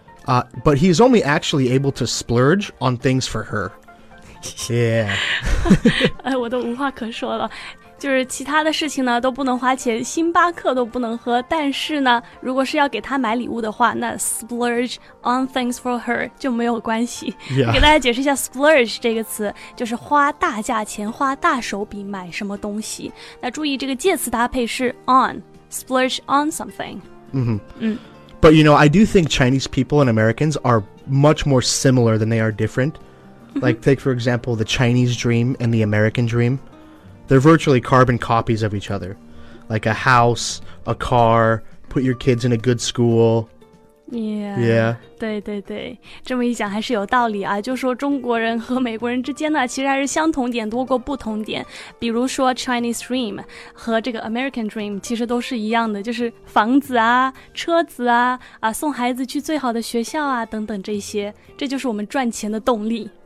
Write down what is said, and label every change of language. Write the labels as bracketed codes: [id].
[en] But he's only actually able to splurge on things for her. Yeah. [zh] 哎，我都无话可说了。就是其他的事情呢都不能花钱，星巴克都不能喝。但是呢，如果是要给他买礼物的话，那 [en] splurge on things for her [zh] 就没有关系。 [en] Yeah. [zh] 给大家解释一下 splurge 这个词，就是花大价钱、花大手笔买什么东西。那注意这个介词搭配是 on， [en] splurge on something。 But you know, I do think Chinese people and Americans are much more similar than they are different. Like, take for example the Chinese dream and the American dream. They're virtually carbon copies of each other. Like a house, a car, put your kids in a good school. Yeah. Yeah. [zh] 对对对，这么一讲还是有道理啊。就说中国人和美国人之间呢，其实还是相同点多过不同点。比如说 Chinese dream 和这个 American dream 其实都是一样的，就是房子啊、车子啊、啊送孩子去最好的学校啊等等这些，这就是我们赚钱的动力。